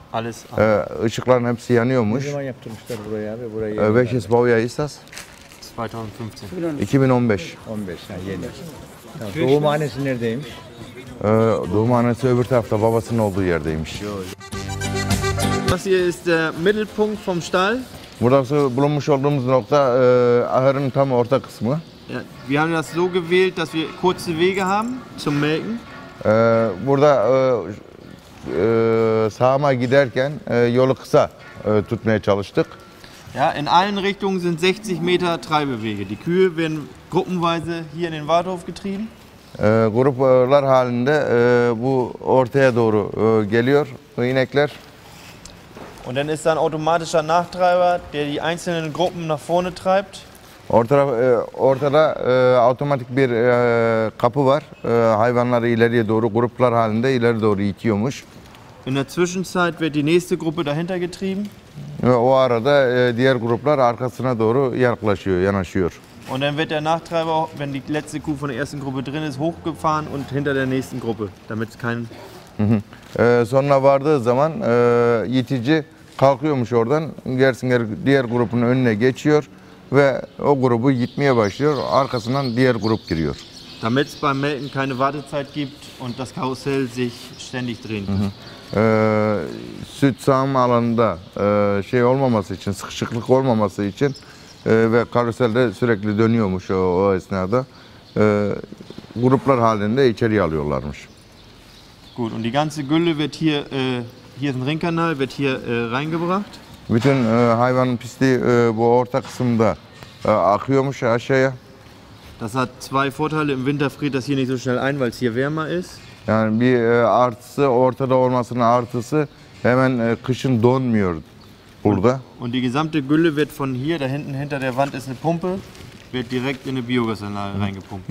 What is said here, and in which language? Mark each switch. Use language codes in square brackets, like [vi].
[de] Alles offen. [tr] Işıkların hepsi yanıyormuş. Ne zaman yaptırmışlar buraya abi? Burayı [de] welches Baujahr ist das? 2015. 2015. [tr] 15, ha, yeni. Tamam, doğumhanesi neredeymiş? Doğumhanesi öbür tarafta, babasının olduğu yerdeymiş. [de] Das hier ist der Mittelpunkt vom Stall. [tr] Burada bulunmuş olduğumuz nokta ahırın tam orta kısmı. [de] Ja, wir haben das so gewählt, dass wir kurze Wege haben zum Melken. [tr] Burada sahama giderken yolu kısa tutmaya çalıştık. [de] Ja, in allen Richtungen sind 60 Meter Treibewege. Die Kühe werden gruppenweise hier in den Warthof getrieben. [tr] Gruplar halinde bu ortaya doğru geliyor inekler. [de] Und dann ist da ein automatischer Nachtreiber, der die einzelnen Gruppen nach vorne treibt. [tr] Ortada otomatik bir kapı var. Hayvanları ileriye doğru gruplar halinde ileri doğru itiyormuş. [de] In der Zwischenzeit wird die nächste Gruppe dahinter getrieben. [tr] O arada diğer gruplar arkasına doğru yaklaşıyor, yanaşıyor. [de] Und dann wird der Nachtreiber, wenn die letzte Kuh von der ersten Gruppe drin ist, hochgefahren und hinter der nächsten Gruppe, damit es keinen... [tr] Sonuna vardığı zaman yetici kalkıyormuş oradan, gerisinger diğer grubun önüne geçiyor ve o grubu gitmeye başlıyor, arkasından diğer grup giriyor. [de] Damit es beim Melken keine Wartezeit gibt und das Karussell sich ständig drehen kann. [tr] Süt sahama alanında şey olmaması için, sıkışıklık olmaması için ve karuselde sürekli dönüyormuş o esnada, gruplar halinde içeriye alıyorlarmış. [de] Gut, und die ganze Gülle wird hier, hier ist ein Ringkanal, wird hier reingebracht. [tr] Bütün hayvanın pisliği bu orta kısımda akıyormuş aşağıya. [de] Das hat zwei Vorteile, im Winter friert das hier nicht so schnell ein, weil es hier wärmer ist. [tr] Yani bir artısı, ortada olmasının artısı, hemen kışın donmuyor burada. [de] Und die gesamte Gülle wird von hier, da hinten hinter der Wand ist eine Pumpe, wird direkt in eine Biogasanlage reingepumpt.